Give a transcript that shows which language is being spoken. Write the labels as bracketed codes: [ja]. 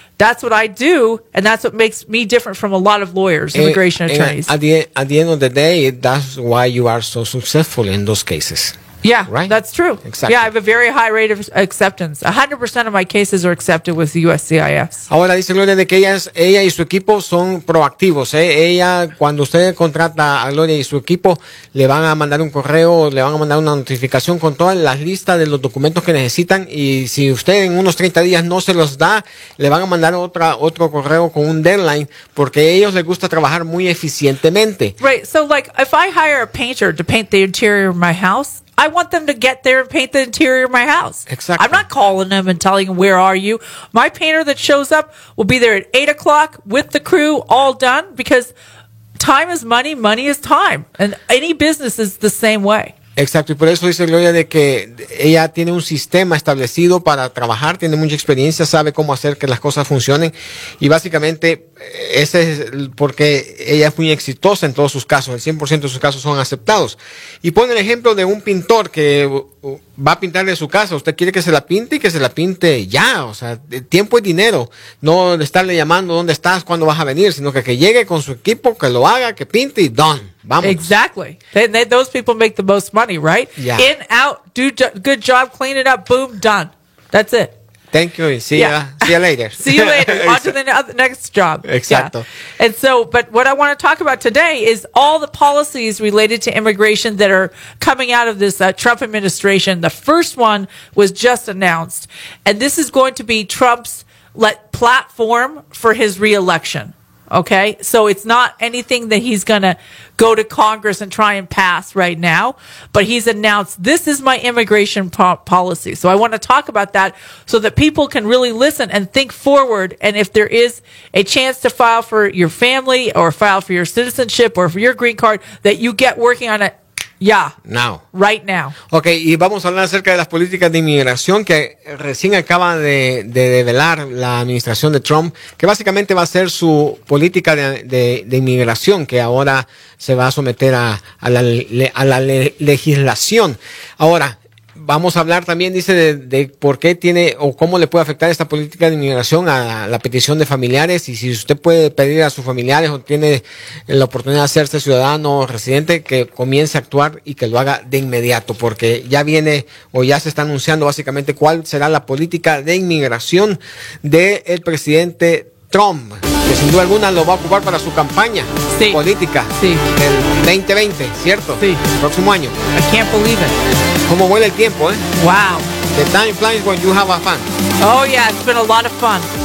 [en] That's what I do, and that's what makes me different from a lot of lawyers, immigration attorneys. At the end of the day, that's why you are so successful in those cases. Yeah, right? That's true. Exactly. Yeah, I have a very high rate of acceptance. 100% of my cases are accepted with USCIS. [es] Ahora dice Gloria de que ella y su equipo son proactivos. Ella, cuando usted contrata a Gloria y su equipo, le van a mandar un correo, le van a mandar una notificación con todas las listas de los documentos que necesitan. Y si usted en unos 30 días no se los da, le van a mandar otro correo con un deadline, porque a ellos les gusta trabajar muy eficientemente. [en] Right, so like, if I hire a painter to paint the interior of my house, I want them to get there and paint the interior of my house. Exactly. I'm not calling them and telling them, where are you? My painter that shows up will be there at 8 o'clock with the crew all done, because time is money, money is time. And any business is the same way. [es] Exacto, y por eso dice Gloria de que ella tiene un sistema establecido para trabajar, tiene mucha experiencia, sabe cómo hacer que las cosas funcionen, y básicamente ese es porque ella es muy exitosa en todos sus casos, el 100% de sus casos son aceptados. Y pone el ejemplo de un pintor que va a pintarle su casa, usted quiere que se la pinte y que se la pinte ya, o sea, tiempo es dinero, no estarle llamando dónde estás, cuándo vas a venir, sino que llegue con su equipo, que lo haga, que pinte y done. Vamos. [en] Exactly. Then those people make the most money, right? Yeah. In, out, do good job, clean it up, boom, done. That's it. Thank you. See you later. See you later. On to the next job. [es] Exacto. [en] Yeah. And so, but what I want to talk about today is all the policies related to immigration that are coming out of this Trump administration. The first one was just announced, and this is going to be Trump's platform for his reelection. Okay. So it's not anything that he's going to go to Congress and try and pass right now, but he's announced, this is my immigration policy. So I want to talk about that so that people can really listen and think forward. And if there is a chance to file for your family or file for your citizenship or for your green card, that you get working on it. Yeah. Now. Right now. [es] Okay, y vamos a hablar acerca de las políticas de inmigración que recién acaba de develar la administración de Trump, que básicamente va a ser su política de inmigración, que ahora se va a someter a la legislación. Ahora, vamos a hablar también, dice, de por qué tiene o cómo le puede afectar esta política de inmigración a la petición de familiares y si usted puede pedir a sus familiares o tiene la oportunidad de hacerse ciudadano o residente, que comience a actuar y que lo haga de inmediato, porque ya viene o ya se está anunciando básicamente cuál será la política de inmigración del presidente Trump, que sin duda alguna lo va a ocupar para su campaña política del 2020, ¿cierto? Sí. El próximo año. [en] I can't believe it. [es] Como vuela el tiempo, ¿eh? [en] Wow. The time flies when you have a fun. Oh, yeah, it's been a lot of fun.